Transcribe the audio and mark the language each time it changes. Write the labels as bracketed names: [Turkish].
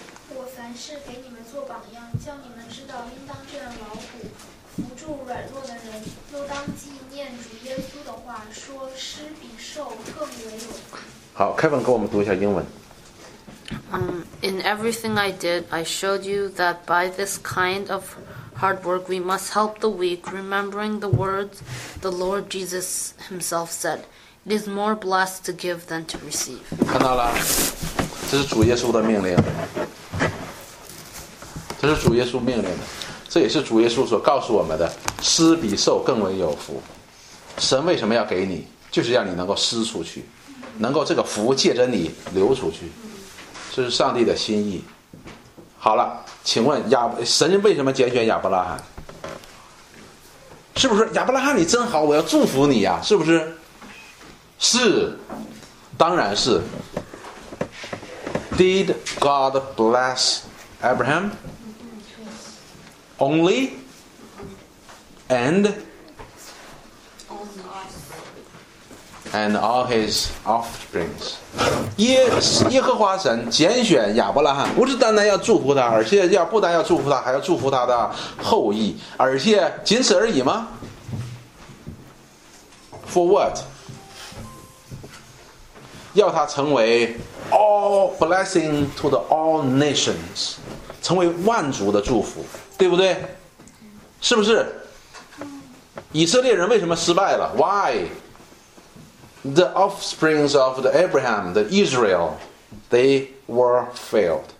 [Chinese] 我凡事给你们做榜样，叫你们知道应当这样劳苦，扶助软弱的人，又当纪念主耶稣的话，说施比受更为有。好，凯文给我们读一下英文。 [English] In everything I did, I showed you that by this kind of hard work we must help the weak, remembering the words the Lord Jesus himself said, it is more blessed to give than to receive. [Chinese] 看到了，这是主耶稣的命令。这是主耶稣命令的，这也是主耶稣所告诉我们的，施比受更为有福。神为什么要给你？就是让你能够施出去，能够这个福借着你流出去，这是上帝的心意。好了，请问神为什么拣选亚伯拉罕？是不是亚伯拉罕你真好，我要祝福你呀、啊、是不是？是，当然是。 [English] Did God bless Abraham only and all his offspring? [Chinese] 耶和华神拣选亚伯拉罕，不是单单要祝福他，而且要不单要祝福他，还要祝福他的后裔，而且仅此而已吗？ [English] For what? [Chinese] 要他成为 [English] all blessing to the all nations， [Chinese] 成为万族的祝福，对不对？是不是？以色列人为什么失败了？ [English] Why? The offsprings of the Abraham, the Israel, they were failed.